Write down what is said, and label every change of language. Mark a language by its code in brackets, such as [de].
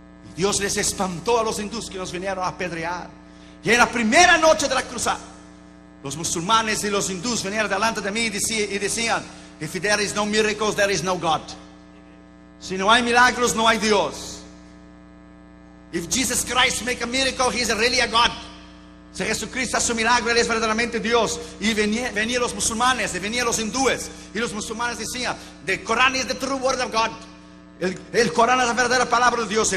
[es] Y Dios les espantó a los hindús que nos vinieron a apedrear. Y en la primera noche de la cruzada, los musulmanes y los hindús vinieron delante de mí y decían: [en] If there is no miracles, there is no God. [es] Si no hay milagros, no hay Dios. [en] If Jesus Christ make a miracle, he is really a God. [es] Si Jesucristo hace un milagro, Él es verdaderamente Dios. Y venían los musulmanes, y venían los hindúes. Y los musulmanes decían: [en] The Quran is the true word of God. [es] El Corán es la verdadera palabra de Dios.